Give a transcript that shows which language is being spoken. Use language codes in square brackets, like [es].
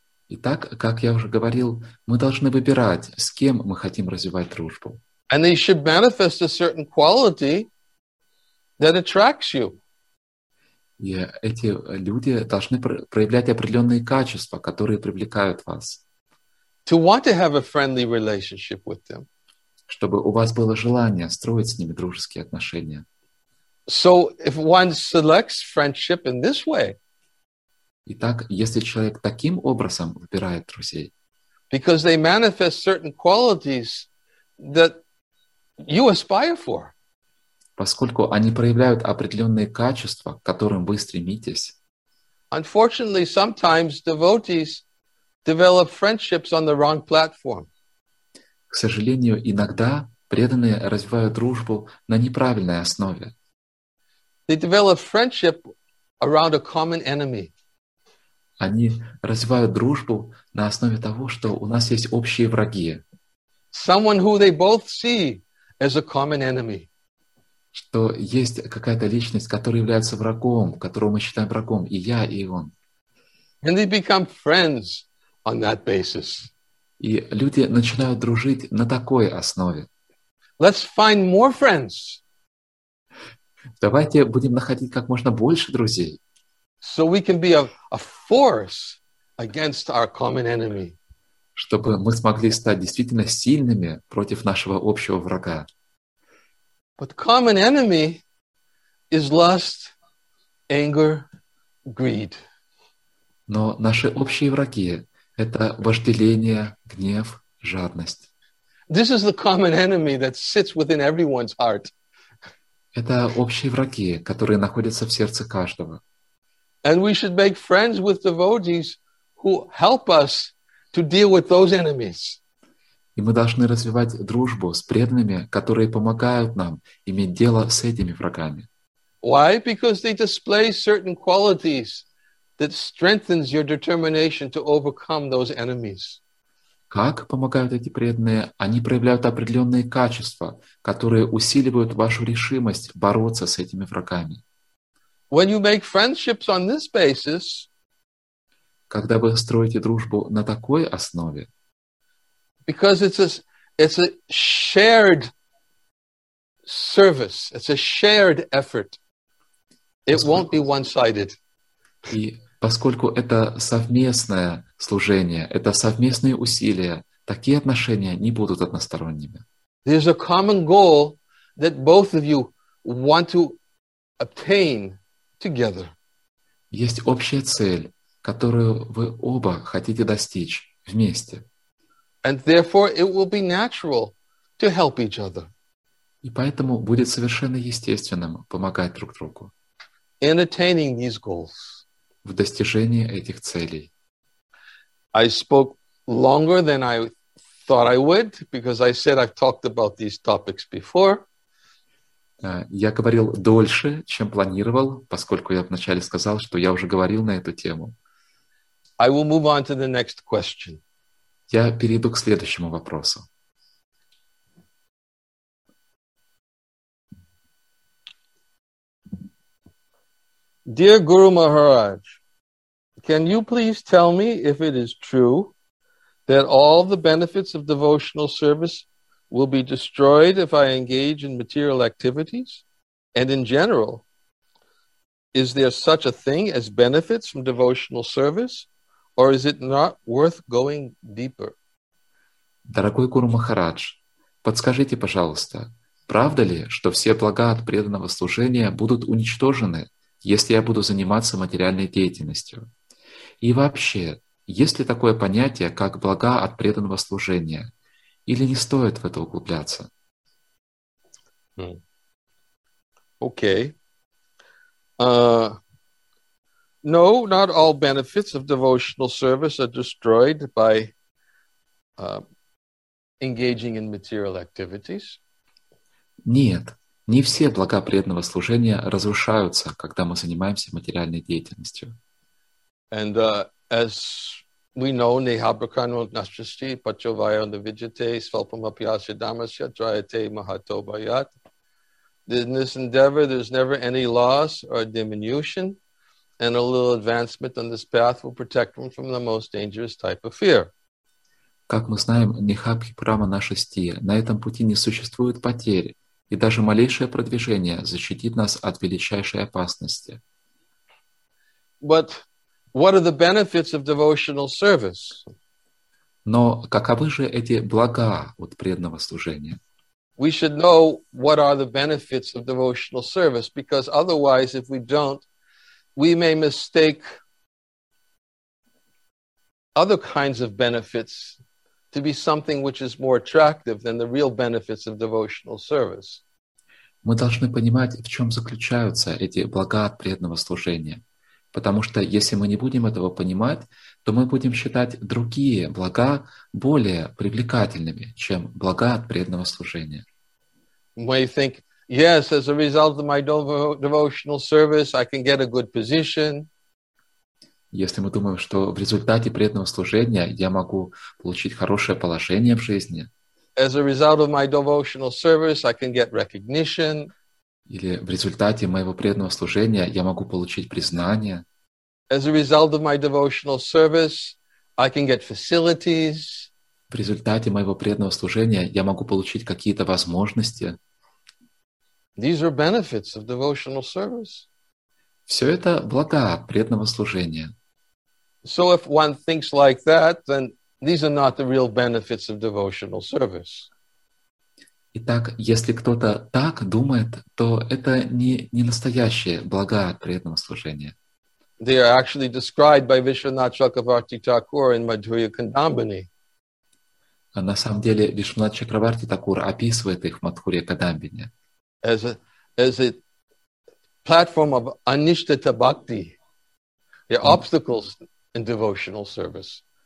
[ru] Итак, как я уже говорил, мы должны выбирать, с кем мы хотим развивать дружбу. [en] And they should manifest a certain quality that attracts you. [ru] И эти люди должны проявлять определенные качества, которые привлекают вас. [en] To want to have a friendly relationship with them. [ru] Чтобы у вас было желание строить с ними дружеские отношения. [en] So if one selects friendship in this way. [ru] Итак, если человек таким образом выбирает друзей. [en] Because they manifest certain qualities that you aspire for. [ru] Поскольку они проявляют определенные качества, к которым вы стремитесь. [en] Unfortunately, sometimes devotees develop friendships on the wrong platform. [ru] К сожалению, иногда преданные развивают дружбу на неправильной основе. [en] They develop friendship around a common enemy. [ru] Они развивают дружбу на основе того, что у нас есть общие враги. [en] Someone who they both see as a common enemy. [ru] Что есть какая-то личность, которая является врагом, которого мы считаем врагом, и я, и он. [en] And they become friends on that basis. [ru] И люди начинают дружить на такой основе. [en] Let's find more friends. [ru] Давайте будем находить как можно больше друзей. [en] So we can be a force against our common enemy. [ru] Чтобы мы смогли стать действительно сильными против нашего общего врага. [en] But common enemy is lust, anger, greed. [ru] Но наши общие враги — это вожделение, гнев, жадность. [en] This is the common enemy that sits within everyone's heart. [ru] Это общие враги, которые находятся в сердце каждого. [en] And we should make friends with devotees who help us to deal with those enemies. [ru] И мы должны развивать дружбу с преданными, которые помогают нам иметь дело с этими врагами. [en] Why? Because they display certain qualities that strengthens your determination to overcome those enemies. [ru] Как помогают эти преданные? Они проявляют определенные качества, которые усиливают вашу решимость бороться с этими врагами. [en] When you make friendships on this basis, [ru] когда вы строите дружбу на такой основе, [en] because it's a shared service, it's a shared effort. It won't be one-sided. [ru] И поскольку это совместное служение, это совместные усилия, такие отношения не будут односторонними. [en] There's a common goal that both of you want to obtain together. [ru] Есть общая цель, которую вы оба хотите достичь вместе. [en] And therefore, it will be natural to help each other. [ru] И поэтому будет совершенно естественным помогать друг другу [en] in attaining these goals. [ru] В достижении этих целей. [en] I spoke longer than I thought I would, because I said I've talked about these topics before. [ru] Я говорил дольше, чем планировал, поскольку я вначале сказал, что я уже говорил на эту тему. [en] I will move on to the next question. [ru] Я перейду к следующему вопросу. [en] Dear Guru Maharaj, can you please tell me if it is true that all the benefits of devotional service will be destroyed if I engage in material activities? And in general, is there such a thing as benefits from devotional service, or is it not worth going deeper? [ru] Дорогой Гуру Махарадж, подскажите, пожалуйста, правда ли, что все блага от преданного служения будут уничтожены, если я буду заниматься материальной деятельностью? И вообще, есть ли такое понятие, как блага от преданного служения? Или не стоит в это углубляться? [en] Okay. No, not all benefits of devotional service are destroyed by engaging in material activities. [ru] Нет. Не все блага преданного служения разрушаются, когда мы занимаемся материальной деятельностью. [en] And as we know, [sa] Nehabrakano Nashasti, Pachovaya on the Vijate, Svalpamapyasya Dhammasya, Dryate Mahatobayat. [en] In this endeavor, there's never any loss or diminution, and a little advancement on this path will protect one from the most dangerous type of fear. [ru] Как мы знаем, [sa] Нехабхи Прама Нашасти, [ru] на этом пути не существует потери. И даже малейшее продвижение защитит нас от величайшей опасности. [en] But what are the benefits of devotional service? [ru] Но каковы же эти блага от преданного служения? [en] We should know what are the benefits of devotional service, because otherwise, if we don't, we may mistake other kinds of benefits to be something which is more attractive than the real benefits of devotional service. [ru] Мы должны понимать, в чем заключаются эти блага от преданного служения. Потому что если мы не будем этого понимать, то мы будем считать другие блага более привлекательными, чем блага от преданного служения. [en] We think, yes, as a result of my devotional service, I can get a good position. [ru] Если мы думаем, что в результате преданного служения я могу получить хорошее положение в жизни. [en] As a result of my devotional service, I can get recognition. [ru] Или в результате моего преданного служения я могу получить признание. [en] As a result of my devotional service, I can get facilities. [ru] В результате моего преданного служения я могу получить какие-то возможности. [en] These are benefits of devotional service. [ru] Все это блага преданного служения. [en] So if one thinks like that, then these are not the real benefits of devotional service. [ru] Итак, если кто-то так думает, то это не настоящие блага от преданного служения. [en] They are actually described by Vishwanath Chakravarti Thakur in Madhurya Kadambini. [ru] На самом деле, Вишванат Чакраварти Такур описывает их в Мадхурья Кадамбине. [en] As a platform of anishtita bhakti, the obstacles in devotional service.